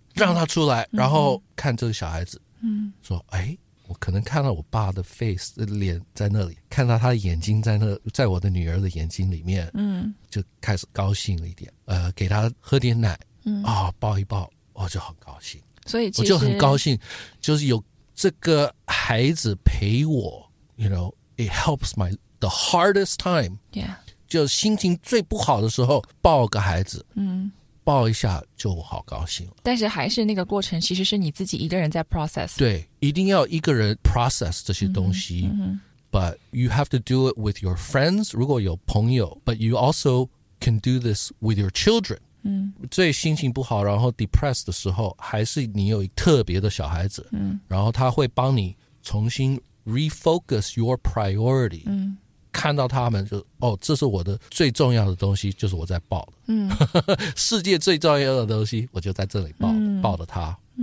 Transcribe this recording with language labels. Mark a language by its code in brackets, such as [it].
[zh] 让他出来，然后看这个小孩子，说哎。我可能看到我爸的 face 的脸在那里，看到他的眼睛在那，在我的女儿的眼睛里面，就开始高兴了一点，给他喝点奶，抱一抱，我就很高兴，所以其实我就很高兴，就是有这个孩子陪我， [en] you know, it helps my the hardest time, yeah, [zh] 就心情最不好的时候抱个孩子，抱一下就好高兴了。但是还是那个过程，其实是你自己一个人在 process。对，一定要一个人 process 这些东西。 [en] But you have to do it with your friends, [zh] 如果有朋友。 [en] But you also can do this with your children. [zh] 最心情不好然后 depressed 的时候，还是你有特别的小孩子，然后他会帮你重新 [en] refocus your priority， [zh] 看到他们就哦，这是我的最重要的东西，就是我在抱的，世界最重要的东西我就在这里抱的，抱着他。